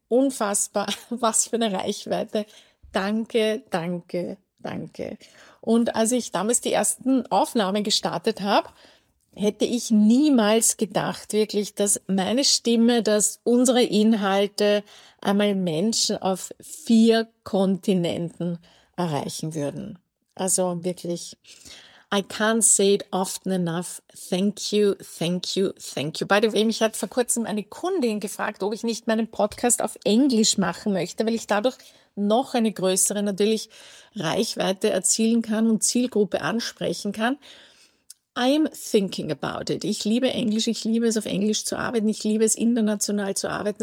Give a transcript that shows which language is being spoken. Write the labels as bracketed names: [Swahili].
[German] Unfassbar, was für eine Reichweite. Danke, danke. Danke. Und als ich damals die ersten Aufnahmen gestartet habe, hätte ich niemals gedacht, wirklich, dass meine Stimme, dass unsere Inhalte einmal Menschen auf 4 Kontinenten erreichen würden. Also wirklich, [English] I can't say it often enough. Thank you, thank you, thank you. By the way, [German] mich hat vor kurzem eine Kundin gefragt, ob ich nicht meinen Podcast auf Englisch machen möchte, weil ich dadurch noch eine größere natürlich Reichweite erzielen kann und Zielgruppe ansprechen kann. [English] I'm thinking about it. [German] Ich liebe Englisch, ich liebe es, auf Englisch zu arbeiten, ich liebe es, international zu arbeiten.